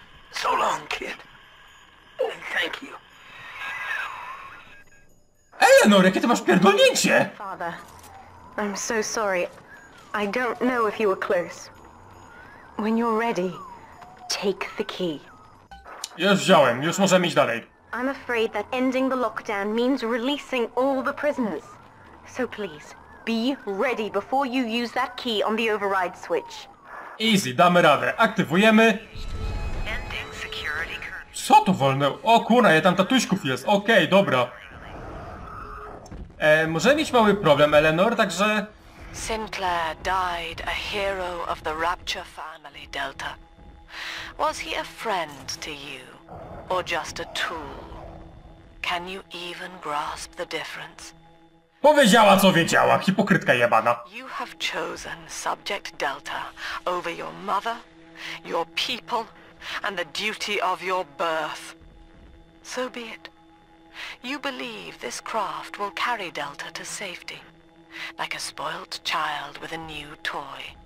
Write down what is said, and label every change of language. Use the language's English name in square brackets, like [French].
[English] So long, kid. Thank you. [Polish] Eleanor, jakie ty masz pierdolnięcie? [English] Father, I'm so sorry. I don't know if you were close. When you're ready, take the key. [Polish] Już wziąłem, już możemy iść dalej. [English] I'm afraid that ending the lockdown means releasing all the prisoners. So please, be ready before you use that key on the override switch. Easy, [Polish] damy radę. Aktywujemy. Co to wolne? O kurna, ja tam tatuśków jest. Okej, okay, dobra. Możemy mieć mały problem, Eleanor, także... [English] Sinclair died a hero of the Rapture family, Delta. Was he a friend to you? Or just a tool? Can you even grasp the difference? [Polish] Powiedziała, co wiedziała, hipokrytka jebana. [English] You have chosen Subject Delta over your mother, your people, and the duty of your birth. So be it. You believe this craft will carry Delta to safety, like a spoilt child with a new toy.